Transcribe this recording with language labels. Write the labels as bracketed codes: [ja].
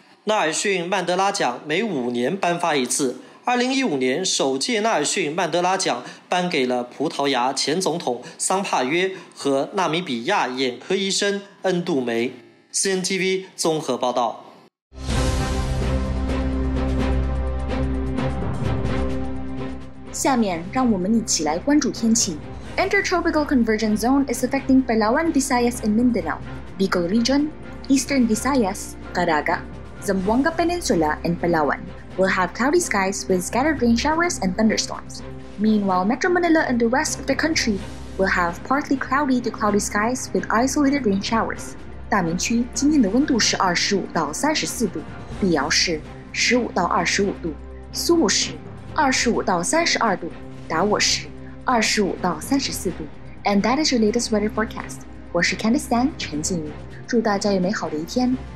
[zh] 纳尔逊·曼德拉奖每五年颁发一次，2015年首届纳尔逊·曼德拉奖颁给了葡萄牙前总统桑帕约和纳米比亚眼科医生恩杜梅。 CNTV 综合报道。下面让我们一起来关注天气。 [en] Intertropical Convergence Zone is affecting Palawan, Visayas and Mindanao, Bicol Region, Eastern Visayas, Caraga, Zamboanga Peninsula and Palawan will have cloudy skies with scattered rain showers and thunderstorms. Meanwhile, Metro Manila and the rest of the country will have partly cloudy to cloudy skies with isolated rain showers. [zh] 大明区今天的温度是25到34度，碧瑶市15到25度，苏武市25到32度，达沃市25到34度。 [en] And that is your latest weather forecast. [zh] 我是 Candice Dan 陈静瑜，祝大家有美好的一天。